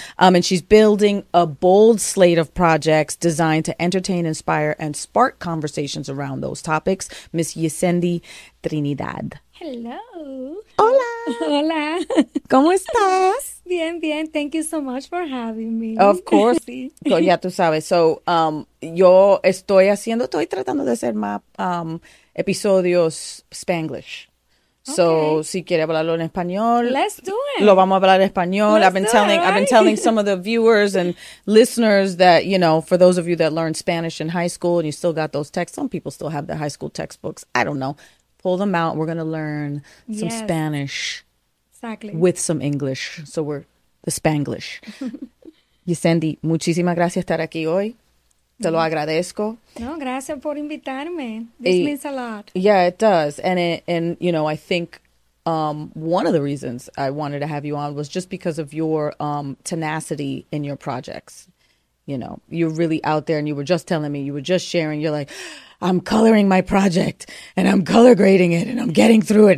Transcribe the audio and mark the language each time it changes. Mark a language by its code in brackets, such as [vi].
[en] And she's building a bold slate of projects designed to entertain, inspire, and spark conversations around those topics. Miss Yesendi Trinidad. Hello. [es] Hola. Hola. ¿Cómo estás? Bien, bien. [en] Thank you so much for having me. Of course. [es] Sí. Ya tú sabes. So, yo estoy tratando de hacer más episodios Spanglish. [en] So, okay. [es] Si quiere hablarlo en español. [en] Let's do it. [es] Lo vamos a hablar en español. [en] I've been telling some of the viewers and listeners that, you know, for those of you that learned Spanish in high school and you still got those texts, some people still have their high school textbooks. I don't know. Pull them out. We're going to learn some Spanish with some English. So we're the Spanglish. [es] Yesendi, muchísimas gracias por estar aquí hoy. Te lo agradezco. No, gracias por invitarme. [en] This means a lot. Yeah, it does. And you know, I think one of the reasons I wanted to have you on was just because of your tenacity in your projects. You know, you're really out there and you were just telling me, you were just sharing. You're like, I'm coloring my project and I'm color grading it and I'm getting through it.